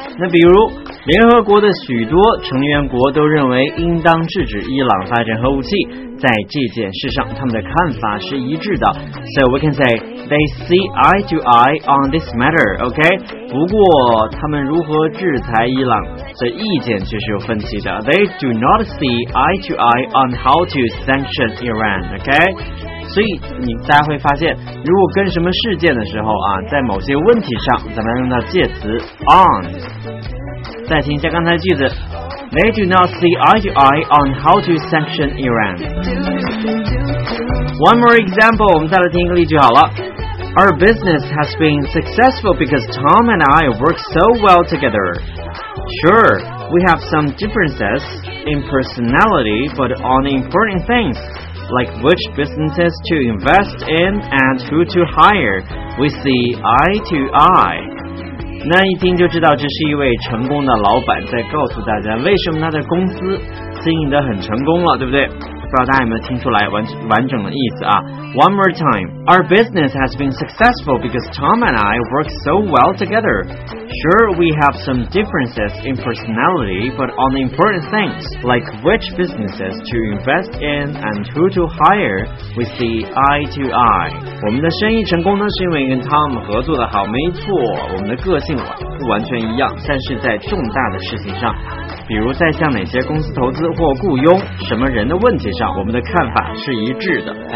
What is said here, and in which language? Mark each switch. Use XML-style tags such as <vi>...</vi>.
<zh>那比如联合国的许多成员国都认为应当制止伊朗发展核武器，在这件事上他们的看法是一致的，</zh> <en>so we can say they see eye to eye on this matter，</en> <zh>OK， 不过他们如何制裁伊朗，所以意见却是有分歧的，</zh> <en>they do not see eye to eye on how to sanction Iran，</en> <zh>OK，所以你大家会发现，如果跟什么事件的时候啊，在某些问题上咱们用到介词 on。再听一下刚才的句子，</zh> <en>They do not see eye to eye on how to sanction Iran. One more example,</en> <zh>我们再来听一个例句好了。</zh> <en>Our business has been successful because Tom and I work so well together. Sure, we have some differences in personality, but on important things, like which businesses to invest in and who to hire, we see eye to eye.</en> <zh>那一听就知道这是一位成功的老板在告诉大家为什么他的公司经营得很成功了，对不对？不知道大家有没有听出来 完整的意思啊。</zh> <en>One more time. Our business has been successful because Tom and I work so well together. Sure, we have some differences in personality, but on the important things, like which businesses to invest in and who to hire, we see eye to eye.</en> <zh>我们的生意成功呢，是因为跟 Tom 合作的好，没错，我们的个性不完全一样，但是在重大的事情上，比如在向哪些公司投资或雇佣什么人的问题上，我们的看法是一致的。</zh>